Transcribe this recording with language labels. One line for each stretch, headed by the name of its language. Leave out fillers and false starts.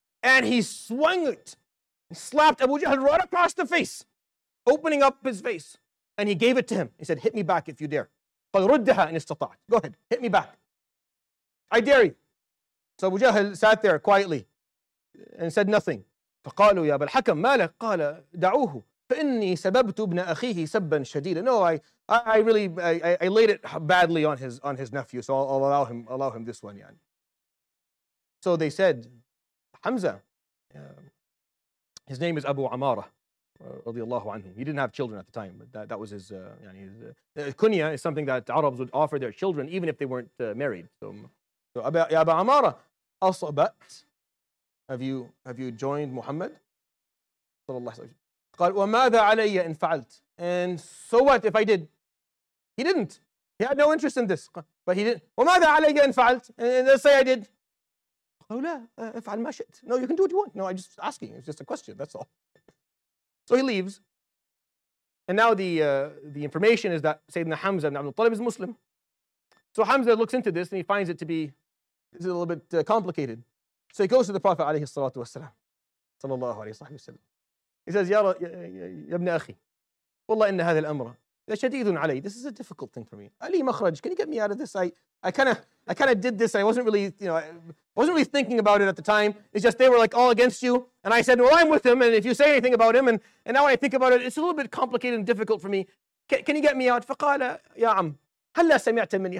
English: And he swung it. Slapped Abu Jahl right across the face, opening up his face, and he gave it to him. He said, hit me back if you dare.
Arabic: قَلْ رُدَّهَا إِنِ اسْتَطَعْتَ.
English: Go ahead, hit me back. I dare you. So Abu Jahl sat there quietly and said nothing.
Arabic: فقالوا يا بالحكم ما لك قال دعوه فإني سببت ابن أخيه سبا شديدا.
English: No, I laid it badly on his nephew, so I'll allow him this one.
Arabic: يعني.
English: So they said, Hamza, his name is Abu Amara, رضي الله عنه. He didn't have children at the time, but that was his, يعني, kunya is something that Arabs would offer their children even if they weren't married. So ya Abu Amara, أصبت, have you joined Muhammad? صلى الله عليه وسلم.
Arabic: قال وماذا علي إن فعلت؟
English: And so what if I did? He didn't. He had no interest in this. But he didn't.
Arabic: وماذا علي إن فعلت؟
English: And let's say I did.
Arabic: قالوا لا افعل ما شئت.
English: No, you can do what you want. No, I'm just asking. It's just a question. That's all. So he leaves. And now the information is that Sayyidina Hamza ibn Abdul Talib is Muslim. So Hamza looks into this and he finds it to be a little bit complicated. So he goes to the Prophet عليه الصلاة والسلام.
Arabic: صلى الله عليه وسلم.
English: He says,
Arabic: يا ابن أخي والله إن هذا الأمر شديد علي.
English: This is a difficult thing for me.
Arabic: ألي مخرج.
English: Can you get me out of this? I kind of did this. I wasn't really, you know, I wasn't really thinking about it at the time. It's just they were like all against you. And I said, well, I'm with him. And if you say anything about him, and now when I think about it, it's a little bit complicated and difficult for me. Can you get me out?
Arabic: فقال يا عم هلا سمعت مني.